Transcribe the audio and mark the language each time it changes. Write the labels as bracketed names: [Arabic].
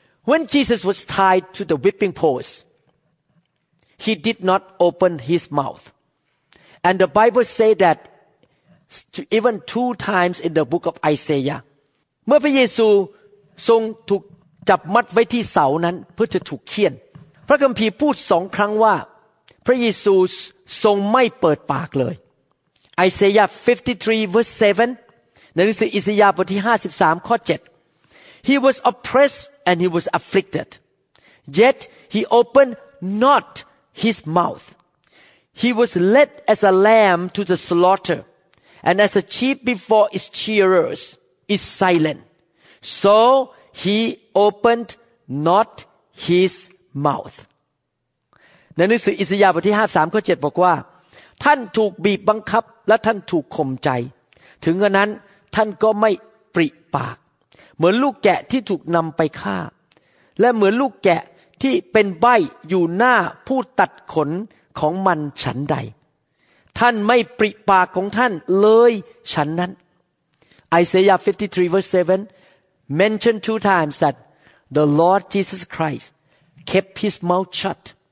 [English] When Jesus was tied to the whipping post he did not open his mouth and the Bible say that even 2 times in the book of Isaiah [Thai] เมื่อพระเยซูทรงถูกจับมัดไว้ที่เสานั้นเพื่อจะถูกเคี่ยนพระคัมภีร์พูด2 ครั้งว่าพระเยซูทรงไม่เปิดปากเลย [English] Isaiah 53 verse 7 [Thai] ในหนังสืออิสยาห์บทที่53ข้อ7 [English] He was oppressed and he was afflicted. Yet he opened not his mouth. He was led as a lamb to the slaughter, and as a sheep before its shearers is silent, so he opened not his mouth. [Thai] ในหนังสืออิสยาห์บทที่53ข้อ7บอกว่าท่านถูกบีบบังคับและท่านถูกข่มใจถึงกระนั้นท่านก็ไม่ปริปากเหมือนลูกแกะที่ถูกนำไปฆ่าและเหมือนลูกแกะที่เป็นใบ้อยู่หน้าผู้ตัดขนของมันฉันใดท่านไม่ปริปากของท่านเลยฉันนั้น [English] Isaiah 53 verse 7 mentioned two times that the Lord Jesus Christ kept his mouth shut.